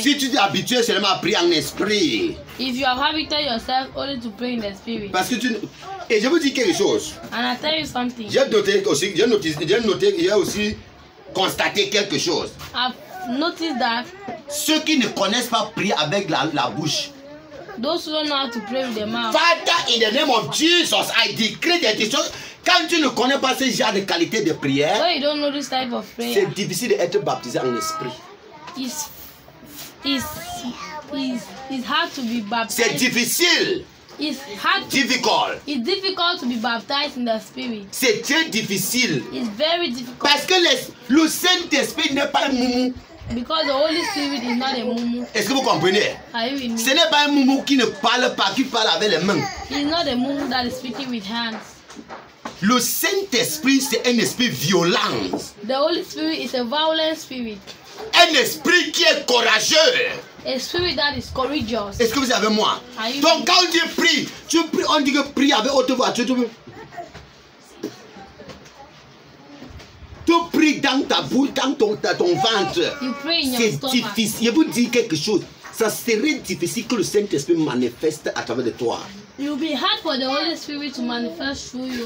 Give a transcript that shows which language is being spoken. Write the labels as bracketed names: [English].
[French] Si tu t'es habitué seulement à prier en esprit. [English] If you have habituated yourself only to pray in the spirit. [French] Parce que tu. Et je vous dis quelque chose. [English] And I tell you something. [French] J'ai constaté quelque chose. [English] I've noticed that. [French] Ceux qui ne connaissent pas prier avec la bouche. [English] Those who don't know how to pray with their mouth. Father, in the name of Jesus, I decree that it's. [French] Quand tu ne connais pas ce genre de qualité de prière, [English] well, you don't know this type of prayer. [French] C'est difficile d'être baptisé en esprit. [English] It's hard to be baptized. [French] C'est difficile. [English] It's hard. Difficult. It's difficult to be baptized in the spirit. [French] C'est très difficile. [English] It's very difficult. [French] Parce que le Saint-Esprit n'est pas un moumou. [English] Because the Holy Spirit is not a moumou. [French] Est-ce que vous comprenez? [English] Are you with me? [French] Ce n'est pas un moumou qui ne parle pas, qui parle avec les mains. [English] It's not a moumou that is speaking with hands. [French] Le Saint-Esprit, c'est un esprit violent. [English] The Holy Spirit is a violent spirit. [French] Un esprit qui est courageux. [English] a spirit that is courageous. [French] Est-ce que vous avez moi? Donc quand on dit prie, tu pries, on dit que prie avec haute voix. Tu pries dans ta bouche, dans ton ventre. [English] You pray in your [French] c'est [English] stomach. [French] Difficile. Je vous dis quelque chose. Ça serait difficile que le Saint-Esprit manifeste à travers de toi. [English] It will be hard for the Holy Spirit to manifest through you.